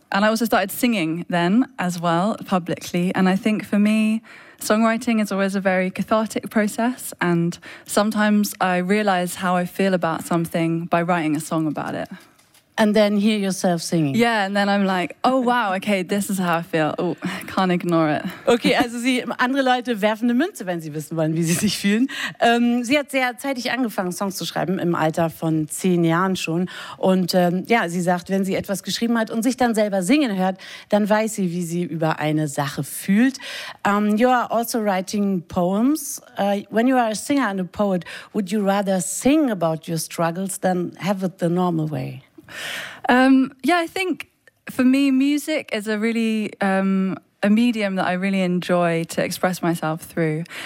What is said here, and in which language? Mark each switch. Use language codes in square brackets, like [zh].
[en] And I also started singing then as well, publicly. And I think for me, songwriting is always a very cathartic process. And sometimes I realize how I feel about something by writing a song about it. And then hear yourself singing. Yeah, and then I'm like, oh wow, okay, this is how I feel. Oh, can't ignore it. [de] Okay, also sie, andere Leute werfen eine Münze, wenn sie wissen wollen, wie sie sich fühlen. Sie hat sehr zeitig angefangen, Songs zu schreiben, im Alter von 10 Jahren schon. Und sie sagt, wenn sie etwas geschrieben hat und sich dann selber singen hört, dann weiß sie, wie sie über eine Sache fühlt. [en] You are also writing poems. When you are a singer and a poet, would you rather sing about your struggles than have it the normal way? I think for me, music is a really a medium that I really enjoy to express myself through.